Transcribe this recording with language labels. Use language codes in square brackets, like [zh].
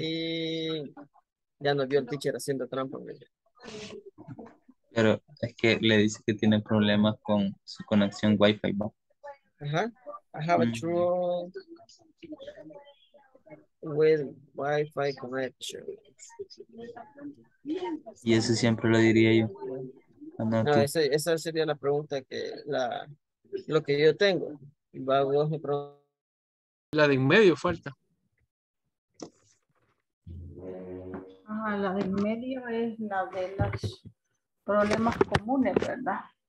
[es] Y ya nos vio el teacher haciendo trampa. Pero es que le dice que tiene problemas con su conexión Wi-Fi. Ajá. Uh-huh. [en] I have a trouble with Wi-Fi connection. [es] Y eso siempre lo diría yo. No, esa sería la pregunta que lo que yo tengo. La de en medio falta. Ajá, la de en medio es la de las problemas comunes, ¿verdad?